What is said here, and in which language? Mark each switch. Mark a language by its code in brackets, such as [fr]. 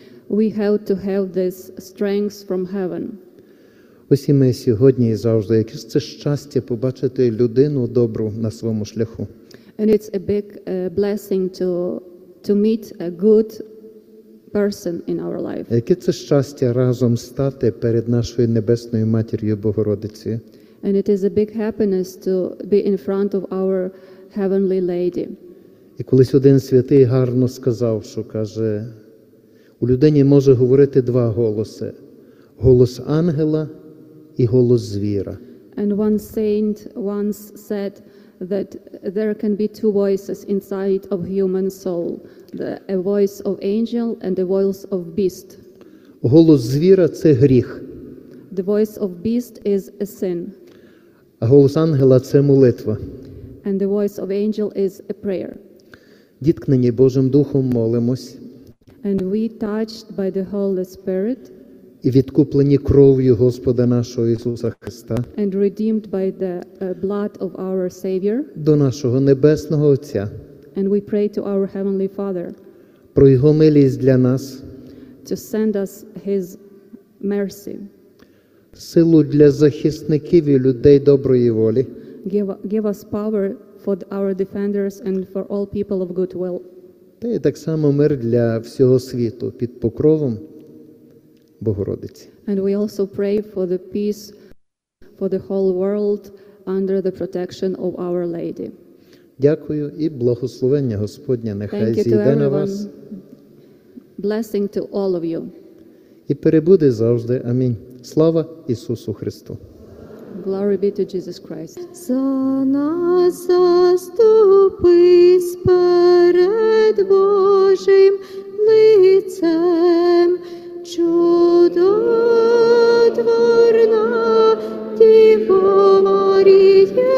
[en] We have to have this strength from heaven. [uk] Ось і ми сьогодні і завжди, яке ж це щастя побачити людину добру на своєму шляху. [en] And it's a big blessing to meet a good person in our life. [uk] Яке це щастя разом стати перед нашою небесною матір'ю Богородицею. [en] And it is a big happiness to be in front of our heavenly lady. [uk] І колись один святий гарно сказав, що каже, у людині може говорити два голоси: голос ангела і голос звіра. [en] And one saint once said that there can be two voices inside of human soul, a voice of angel and a voice of beast. [uk] Голос звіра – це гріх. [en] The voice of beast is a sin. [uk] А голос ангела – це молитва. [en] And the voice of angel is a prayer. [uk] Діткнені Божим Духом молимось. [en] And we touched by the Holy Spirit. [uk] І відкуплені кров'ю Господа нашого Ісуса Христа. [en] And redeemed by the blood of our Savior. [uk] До нашого Небесного Отця. [en] And we pray to our Heavenly Father. [uk] Про Його милість для нас. [en] To send us His mercy. [uk] Силу для захисників і людей доброї волі. [en] Give us power for our defenders and for all people of good will. [uk] Та й так само мир для всього світу під покровом Богородиці. [en] And we also pray for the peace for the whole world under the protection of Our Lady. [uk] Дякую і благословення Господнє нехай зійде на вас. [en] Blessing to all of you. [uk] І перебуде завжди. Амінь. Слава Ісусу Христу! [en] Glory be to Jesus Christ. [uk] За нас заступись перед Божим лицем, чудотворна Діво Маріє,